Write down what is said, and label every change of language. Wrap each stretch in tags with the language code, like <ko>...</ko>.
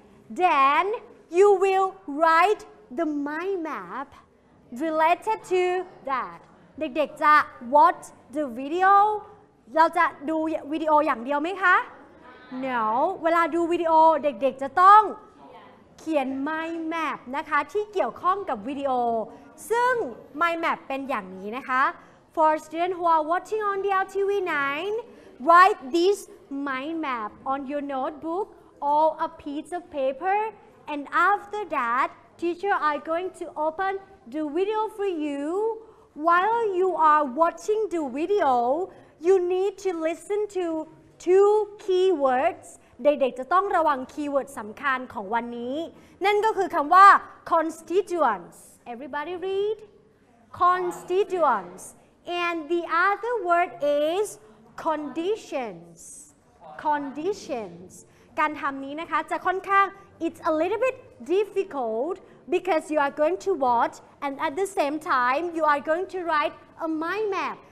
<en>Then you will write the mind map related to that.</en> <th>เด็กๆจะ</th> <en>watch the video.</en> <th>เราจะดูวิดีโออย่างเดียวไหมคะ No. เวลาดูวิดีโอเด็กๆจะต้องเขียน mind map นะคะที่เกี่ยวข้องกับวิดีโอซึ่ง mind map เป็นอย่างนี้นะคะ</th> <en>for students who are watching on the LTV 9, write this mind map on your notebook or a piece of paper. And after that, teacher are going to open the video for you. While you are watching the video, you need to listen to two keywords.</en> <th>เด็กๆจะต้องระวังคีย์เวิร์ดสำคัญของวันนี้นั่นก็คือคำว่า constituents.</th> <en>Everybody read constituents. And the other word is conditions. Conditions.</en> <th>การทำนี้นะคะจะค่อนข้าง</th> <en>it's a little bit difficult because you are going to watch and at the same time you are going to write a mind map.</en>